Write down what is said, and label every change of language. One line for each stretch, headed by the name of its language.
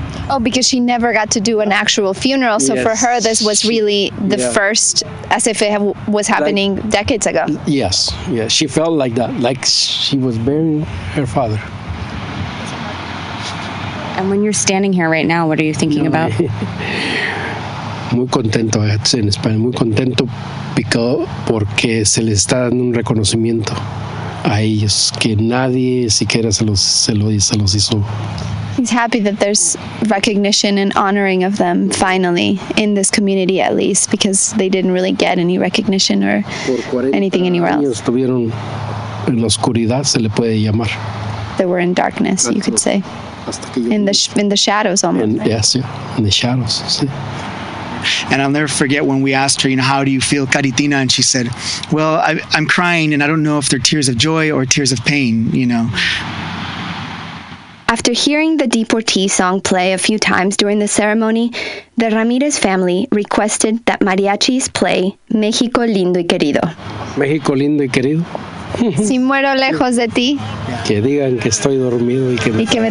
English: Oh, because she never got to do an actual funeral. So yes, for her, this was really the first, as if it was happening like, decades ago. Yes, yes. She felt like that, like she was burying her father. And when you're standing here right now, what are you thinking about?
Spanish: Muy contento, en español. Muy contento porque se les está dando un reconocimiento a ellos que nadie siquiera se los hizo.
English: He's happy that there's recognition and honoring of them, finally, in this community at least, because they didn't really get any recognition or anything anywhere else.
Spanish: Estuvieron en la oscuridad, se le puede llamar.
English: They were in darkness, you could say. In the shadows, almost. In the shadows, sí. And I'll never forget when we asked her, you know, how do you feel, Caritina? And she said, well, I'm crying, and I don't know if they're tears of joy or tears of pain, you know. After hearing the deportee song play a few times during the ceremony, the Ramirez family requested that mariachis play Mexico Lindo y Querido.
Spanish: Mexico Lindo y Querido. Si muero lejos de ti. Que digan que estoy dormido y que me